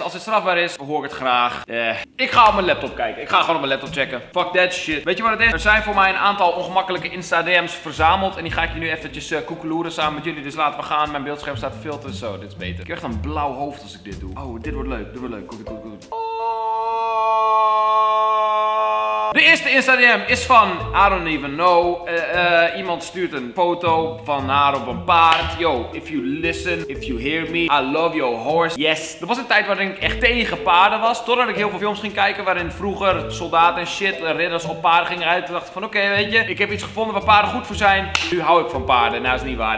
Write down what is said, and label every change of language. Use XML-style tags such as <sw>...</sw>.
<nl>Als het strafbaar is, hoor ik het graag. Ik ga op mijn laptop kijken. Ik ga gewoon op mijn laptop checken.</nl> <en>Fuck that shit.</en> <nl>Weet je wat het is? Er zijn voor mij een aantal ongemakkelijke Insta DM's verzameld. En die ga ik je nu eventjes koekeloeren samen met jullie. Dus laten we gaan. Mijn beeldscherm staat filter. Zo, dit is beter. Ik krijg echt een blauw hoofd als ik dit doe. Oh, dit wordt leuk. Dit wordt leuk. Goed. De eerste Insta DM is van</nl> <en>I don't even know.</en> <nl>Iemand stuurt een foto van haar op een paard.</nl> <en>Yo, if you listen, if you hear me, I love your horse. Yes.</en> <nl>Er was een tijd waarin ik echt tegen paarden was. Totdat ik heel veel films ging kijken waarin vroeger soldaten en shit, ridders op paarden gingen rijden. Toen dacht ik van oké, weet je, ik heb iets gevonden waar paarden goed voor zijn. Nu hou ik van paarden. Nou, dat is niet waar.</nl>